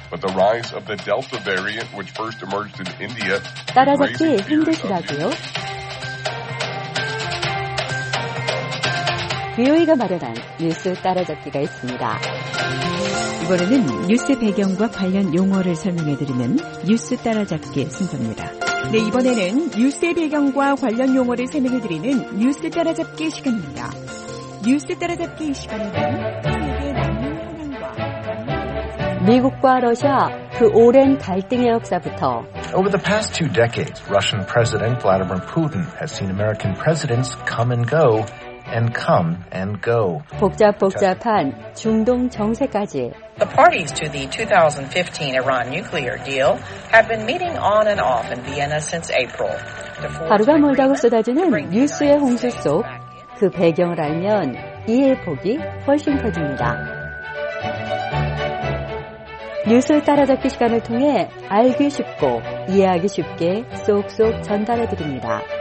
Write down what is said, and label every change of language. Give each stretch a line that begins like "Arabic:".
English: But the rise of the Delta variant, which first emerged in India,
Korean: 따라잡기 힘드시다고요? 비오이가 마련한 뉴스 따라잡기가 있습니다. 이번에는 뉴스 배경과 관련 용어를 설명해드리는 뉴스 따라잡기 순서입니다. 네, 이번에는 뉴스의 배경과 관련 용어를 설명해드리는 뉴스 따라잡기 시간입니다. 뉴스 따라잡기 시간에는 미국과 러시아 그 오랜 갈등의 역사부터
English: Over the past two decades, Russian President Vladimir Putin has seen American presidents come and go and come and go.
Korean: 복잡복잡한 중동 정세까지
English: The parties to the 2015 Iran nuclear deal have been meeting on and off in Vienna since April.
Korean: 하루가 멀다고 쏟아지는 뉴스의 홍수 속 그 배경을 알면 이해 폭이 훨씬 커집니다. 뉴스 따라잡기 시간을 통해 알기 쉽고 이해하기 쉽게 쏙쏙 전달해 드립니다.